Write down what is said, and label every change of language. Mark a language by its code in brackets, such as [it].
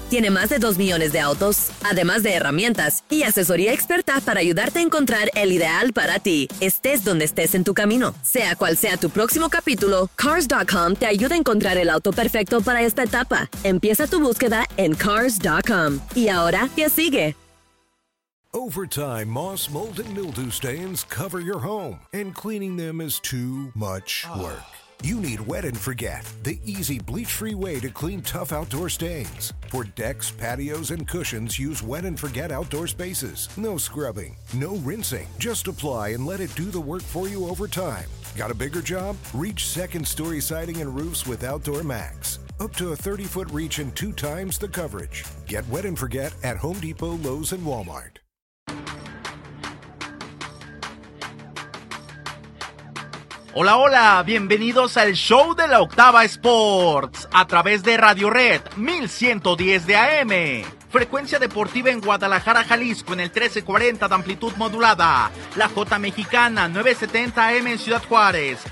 [es] Tiene más de 2 millones de autos, además de herramientas y asesoría experta para ayudarte a encontrar el ideal para ti, estés donde estés en tu camino. Sea cual sea tu próximo capítulo, Cars.com te ayuda a encontrar el auto perfecto para esta etapa. Empieza tu búsqueda en Cars.com. Y ahora, ¿qué sigue? [en] Over time, moss, mold, and mildew stains cover your home, and cleaning them is too much work. You need Wet and Forget, the easy bleach-free way to clean tough outdoor stains. For decks, patios, and cushions, use Wet and Forget outdoor spaces. No scrubbing, no rinsing. Just apply and let it do the work for you over time. Got a bigger job? Reach second-story siding and roofs with Outdoor Max. Up to a 30-foot reach and 2x the coverage. Get Wet and Forget at Home Depot, Lowe's, and Walmart. [es] Hola, hola, bienvenidos al show de la Octava Sports a través de Radio Red 1110 de AM. Frecuencia deportiva en Guadalajara, Jalisco, en el 1340 de amplitud modulada. La J Mexicana 970 AM en Ciudad Juárez.